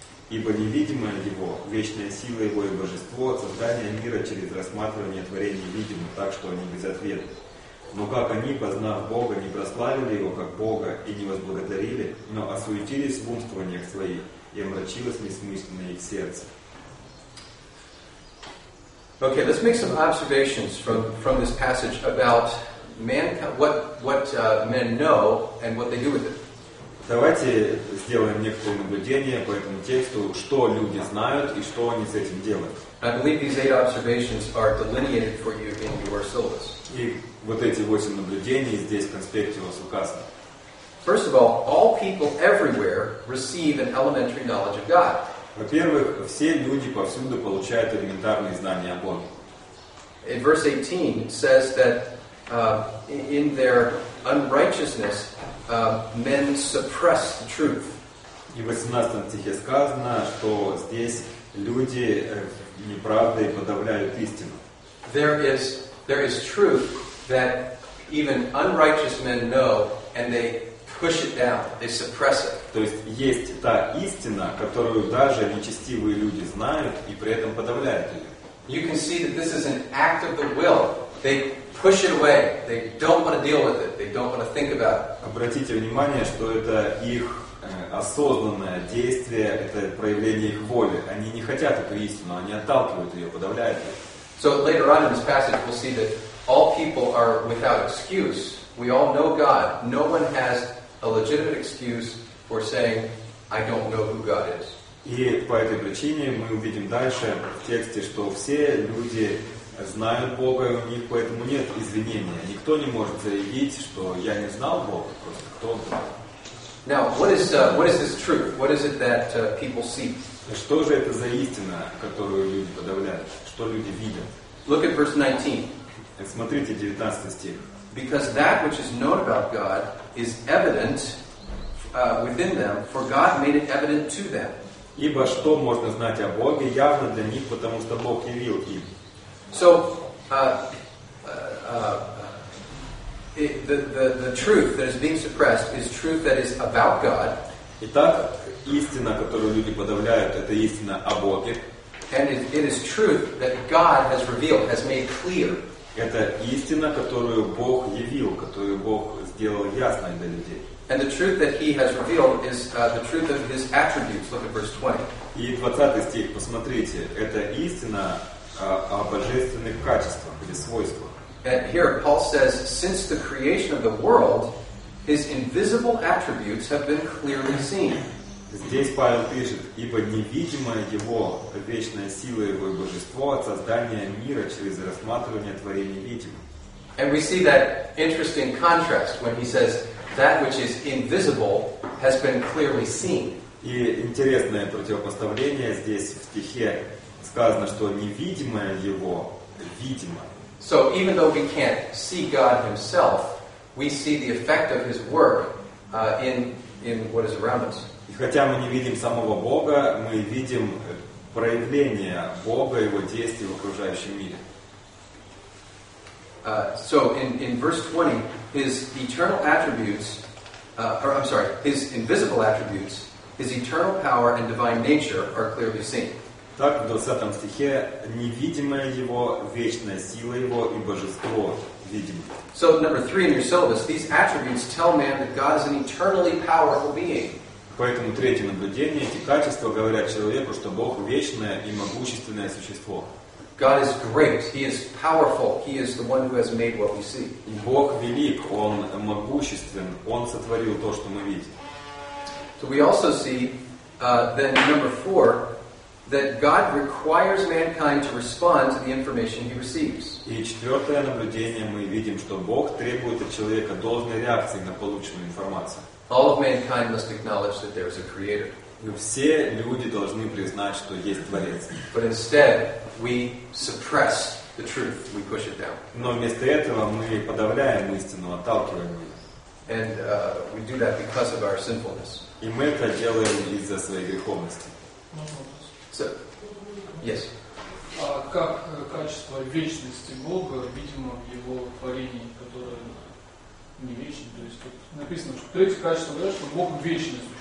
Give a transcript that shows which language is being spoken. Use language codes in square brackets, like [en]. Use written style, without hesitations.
[ru] Ибо невидимое Его, вечная сила Его и Божество, создание мира через рассматривание творений видимо, так что они без ответа. Но как они, познав Бога, не прославили Его как Бога и не возблагодарили, но осуетились в умствованиях своих, и омрачилось несмысленное их сердце. [en] Okay, let's make some observations from this passage about mankind, what men know and what they do with it. [ru] Давайте сделаем некоторые наблюдения по этому тексту, что люди знают и что они с этим делают. [en] I believe these eight observations are delineated for you in your syllabus. [ru] И вот эти восемь наблюдений здесь в конспекте у вас указаны. [en] First of all people everywhere receive an elementary knowledge of God. [ru] Во-первых, все люди повсюду получают элементарные знания о Боге. [en] In verse 18 says that in their unrighteousness men suppress the truth. [ru] И в 18 стихе сказано, что здесь люди неправдой подавляют истину. [en] There is truth that even unrighteous men know and they push it down, they suppress it. [ru] То есть есть та истина, которую даже нечестивые люди знают и при этом подавляют ее. [en] You can see that this is an act of the will. They push it away. They don't want to deal with it. They don't want to think about it. [ru] Обратите внимание, что это их осознанное действие, это проявление их воли. Они не хотят эту истину, они отталкивают ее, подавляют ее. [en] So later on in this passage we'll see that all people are without excuse. We all know God. No one has a legitimate excuse for saying, I don't know who God is. [ru] И по этой причине мы увидим дальше в тексте, что все люди знают Бога, и у них поэтому нет извинения. Никто не может заявить, что я не знал Бога, просто кто он такой. [en] Now, what is this truth? What is it that people see? [ru] Что же это за истина, которую люди подавляют? Что люди видят? [en] Look at verse 19. [ru] Смотрите 19 стих. [en] Because that which is known about God is evident within them, for God made it evident to them. [ru] Ибо что можно знать о Боге явно для них, потому что Бог явил им. [en] So, the truth that is being suppressed is truth that is about God. [ru] Итак, истина, которую люди подавляют, это истина о Боге. [en] And it is truth that God has revealed, has made clear. [ru] Это истина, которую Бог явил, которую Бог сделал ясной для людей. [en] And the truth that he has revealed is the truth of his attributes. Look at verse 20. [ru] И 20 стих, посмотрите, это истина о божественных качествах или свойствах. [en] And here Paul says, since the creation of the world, his invisible attributes have been clearly seen. [ru] Здесь Павел пишет, ибо невидимая его вечная сила, его божество от создания мира через рассматривание творения видимо. [en] And we see that interesting contrast when he says, that which is invisible has been clearly seen. [ru] И интересное противопоставление здесь в стихе сказано, что невидимое его видимо. [en] So even though we can't see God himself, we see the effect of his work in what is around us. [ru] И хотя мы не видим самого Бога, мы видим проявление Бога, его действия в окружающем мире. [en] So in verse 20, his eternal attributes, his invisible attributes, his eternal power and divine nature are clearly seen. [ru] Так, в 20 стихе, невидимое его, вечная сила его и божество видимо. [en] So number 3 in your syllabus, these attributes tell man that God is an eternally powerful being. [ru] Поэтому третье наблюдение, эти качества говорят человеку, что Бог вечное и могущественное существо. [en] God is great. He is powerful. He is the one who has made what we see. [ru] Бог велик, он могуществен, он сотворил то, что мы видим. [en] So we also see then number 4 that God requires mankind to respond to the information he receives. [ru] И четвёртое наблюдение мы видим, что Бог требует от человека должной реакции на полученную информацию. [en] All of mankind must acknowledge that there is a creator. [ru] Все люди должны признать, что есть Творец. [en] But instead, we suppress the truth. We push it down. [ru] Но вместо этого мы подавляем истину, отталкиваем ее. [en] And we do that because of our sinfulness. [ru] И мы это делаем из-за своей греховности. [en] So, yes. [ru] Как качество вечности Бога, видимо, в его творении, которое не вечно, то есть тут написано, что третье качество, да, что Бог вечный.